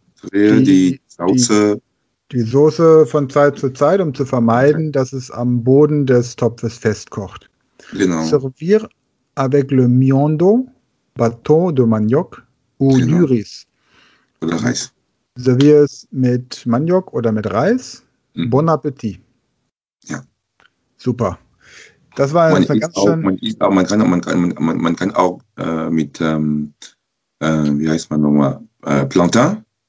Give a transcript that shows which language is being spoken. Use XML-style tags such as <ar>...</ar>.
<de>Drehe die Soße von Zeit zu Zeit, um zu vermeiden, dass es am Boden des Topfes festkocht. Genau.</de> <fr>Servir avec le miondo, bâton de manioc ou du riz.</fr> <de>Oder Reis. Servier es mit Maniok oder mit Reis. Mhm. Bon Appetit. Ja. Super. Das war jetzt ganz auch, schön. Man kann auch mit Plantain.</de>